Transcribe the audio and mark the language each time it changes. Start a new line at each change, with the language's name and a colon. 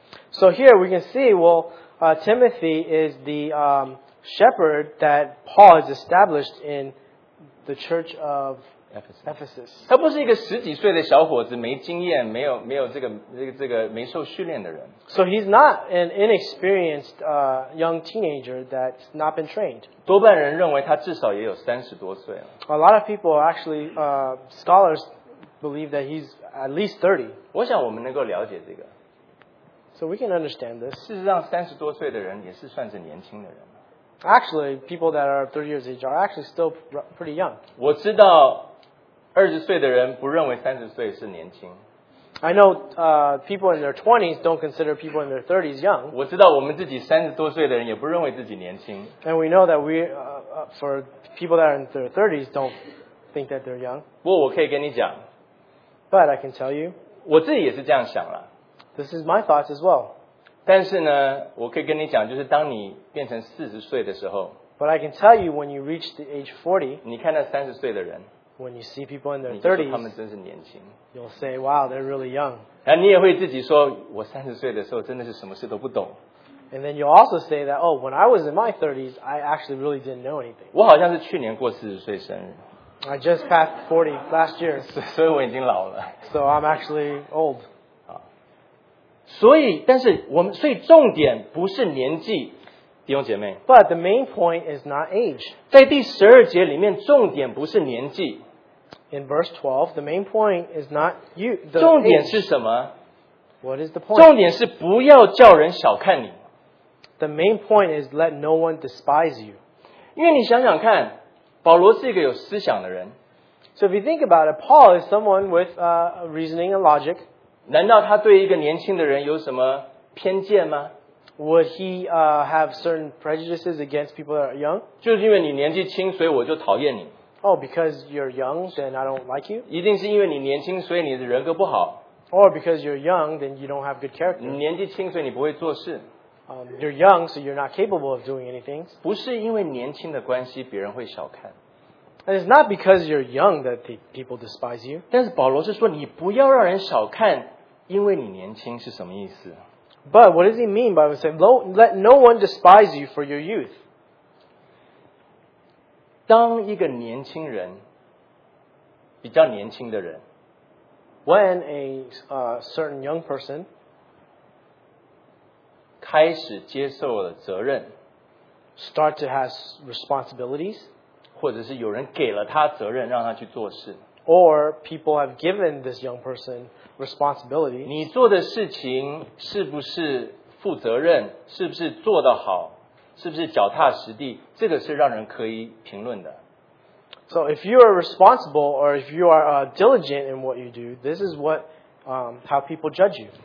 English: ？So here we can see, well, Timothy is the shepherd that Paul has established in the church of Ephesus.
Chinese: 他不是一个十几岁的小伙子，没经验，没有这个没受训练的人。
English: So he's not an inexperienced young teenager that's not been trained.
Chinese: 多半人认为他至少也有三十多岁了。
English: A lot of people actually scholars believe that he's at least 30.
Chinese: 我想我们能够了解这个。
English: So we can understand this.
Chinese: 事实上，三十多岁的人也是算是年轻的人。
English: Actually, people that are 30 years age are actually still pretty young.
Chinese: 我知道。二十岁的人不认为三十岁是年轻。
English: I know people in their 20s don't consider people in their 30s young.
Chinese: 我知道我们自己三十多岁的人也不认为自己年轻。
English: And we know that we, for people that are in their 30s don't think that they're young.
Chinese: 不过我可以跟你讲。
English: But I can tell you.
Chinese: 我自己也是这样想了。
English: This is my thoughts as well.
Chinese: 但是呢，我可以跟你讲，就是当你变成四十岁的时候。
English: But I can tell you when you reach the age 40.
Chinese: 你看那三十岁的人。
English: When you see people in their 30s,
Chinese: 他们真是年轻。
English: You'll say, "Wow, they're really young."
Chinese: 然后你也会自己说，我三十岁的时候真的是什么事都不懂。
English: And then you'll also say that, "Oh, when I was in my 30s, I actually really didn't know anything."
Chinese: 我好像是去年过四十岁生日。
English: I just passed 40 last year.
Chinese: 所以我已经老了。
English: So I'm actually old.
Chinese: 所以，但是我们，所以重点不是年纪。弟兄姐妹
English: ，But the main point is not age.
Chinese: 在第十二节里面，重点不是年纪。
English: In verse 12, the main point is not you.
Chinese: 重点是什么
English: ？What is the point?
Chinese: 重点是不要叫人小看你。
English: The main point is let no one despise you.
Chinese: 因为你想想看，保罗是一个有思想的人。
English: So if you think about it, Paul is someone with reasoning and logic.
Chinese: 难道他对一个年轻的人有什么偏见吗？
English: Would he have certain prejudices against people that are young?
Chinese: 就是因为你年纪轻，所以我就讨厌你。
English: Oh, because you're young, then I don't like you.
Chinese: 一定是因为你年轻，所以你的人格不好。
English: Or because you're young, then you don't have good character.
Chinese: 你年纪轻，所以你不会做事。
English: You're young, so you're not capable of doing anything.
Chinese: 不是因为年轻的关系，别人会小看。
English: And it's not because you're young that people despise you.
Chinese: 但是保罗是说，你不要让人小看，因为你年轻是什么意思？
English: But what does he mean by saying, let no one despise you for your youth?
Chinese: 当一个年轻人，比较年轻的人
English: ，when a certain young person
Chinese: 开始接受了责任
English: ，start to have responsibilities，
Chinese: 或者是有人给了他责任，让他去做事
English: ，or people have given this young person。 Responsibility.
Chinese: 你做的事情是不是负责任？是不是做得好？是不是脚踏实地？这个是让人可以评论的。
English: So if you are responsible or if you are diligent in what you do, this is what how people judge you.